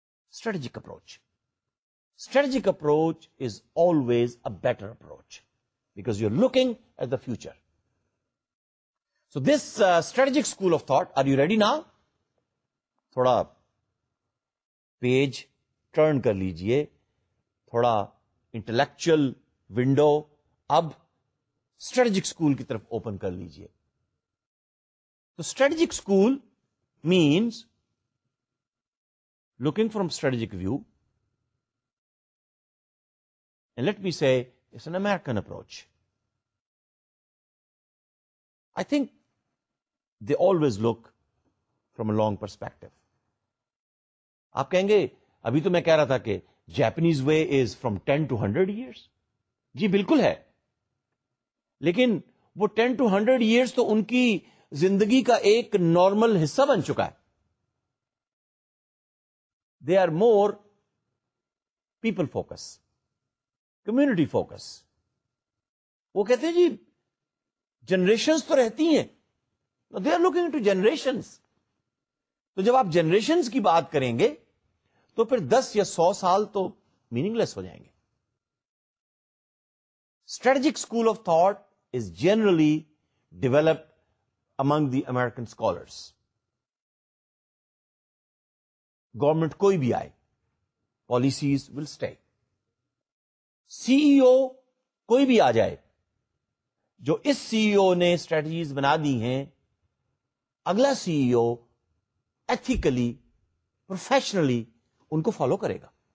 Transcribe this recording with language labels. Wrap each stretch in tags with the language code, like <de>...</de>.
<en>Strategic approach, strategic approach is always a better approach because you are looking at the future. So this strategic school of thought, are you ready now?</en> <ur>تھوڑا page turn کر لیجئے, تھوڑا intellectual window اب strategic school کی طرف open کر لیجئے.</ur> <en>تو strategic school means looking from strategic view, and let me say it's an American approach. I think they always look from a long perspective.</en> <ur>آپ کہیں گے ابھی تو میں کہہ رہا تھا کہ</ur> <en>Japanese way is from 10 to 100 years.</en> <ur>جی بالکل ہے, لیکن وہ</ur> <en>10 to 100 years</en> <ur>تو ان کی زندگی کا ایک نارمل حصہ بن چکا ہے.</ur> <en>They are more people focus, community focus.</en> <ur>وہ کہتے ہیں جی جنریشنز تو رہتی ہیں,</ur> <en>They are looking to generations.</en> <ur>تو جب آپ جنریشنز کی بات کریں گے تو پھر</ur> <en>10 or 100 years</en> <ur>تو میننگ لیس ہو جائیں گے.</ur> <en>Strategic school of thought is generally developed among the American scholars. Government</en> <ur>کوئی بھی آئے,</ur> <en>Policies will stay.</en> <ur>سی ای او کوئی بھی آ جائے, جو اس سی ای او نے اسٹریٹجیز بنا دی ہیں, اگلا سی ای او ایتھیکلی پروفیشنلی ان کو فالو کرے گا.</ur>